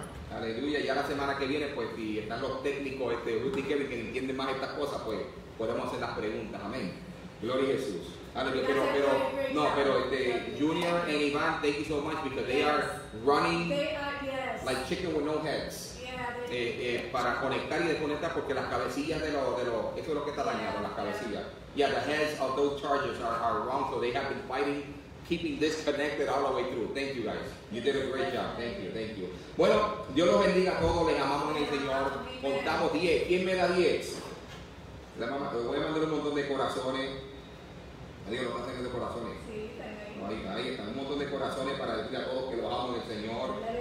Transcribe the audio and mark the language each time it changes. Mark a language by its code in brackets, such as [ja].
[es] Aleluya, ya la semana que viene, pues si están los técnicos, Ruth y Kevin, que entienden más estas cosas, pues podemos hacer las preguntas. Amén. Gloria a Jesús. Aleluya, pero [en] Junior and Ivan, thank you so much because they are running like chicken with no heads. [es] Para conectar y desconectar, porque las cabecillas de eso es lo que está dañado, las cabecillas. [en] Yeah, the heads of those chargers are wrong, so they have been fighting, keeping disconnected all the way through. Thank you guys. You did a great job. Thank you. [es] Bueno, Dios los bendiga a todos, les amamos en el Señor. Contamos 10. ¿Quién me da 10? La mamá, te voy a mandar un montón de corazones. Adiós, los pasajeros de corazones. Sí, también. Ahí está, un montón de corazones para decir a todos que los amo en el Señor.